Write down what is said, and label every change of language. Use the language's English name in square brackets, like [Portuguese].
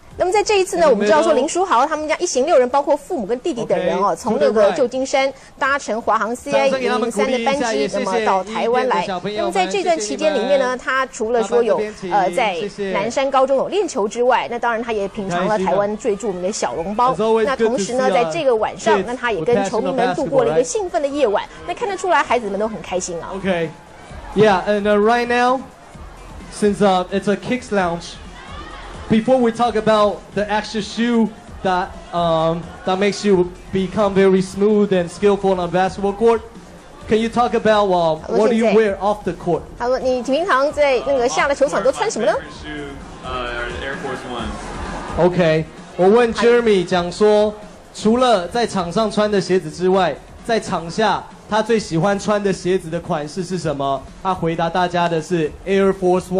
[Chinese] 那么在这一次呢，我们知道说林书豪他们家一行六人，包括父母跟弟弟等人哦，从那个旧金山搭乘华航 CI 003的班机，那么到台湾来。那么在这段期间里面呢，他除了说有在南山高中有练球之外，那当然他也品尝了台湾最著名的小笼包。那同时呢，在这个晚上，那他也跟球迷们度过了一个兴奋的夜晚。那看得出来，孩子们都很开心啊。 [English] OK， yeah， and right now， since it's a kids lounge。 Before we talk about the extra shoe that, that makes you become very smooth and skillful on basketball court, can you talk about what do you wear off the court? [Chinese] 他说你平常在那个下了球场都穿什么呢？ [English] Air Force Ones. [Chinese] Okay, 我问 Jeremy 讲说，除了在场上穿的鞋子之外，在场下他最喜欢穿的鞋子的款式是什么？他回答大家的是 Air Force One。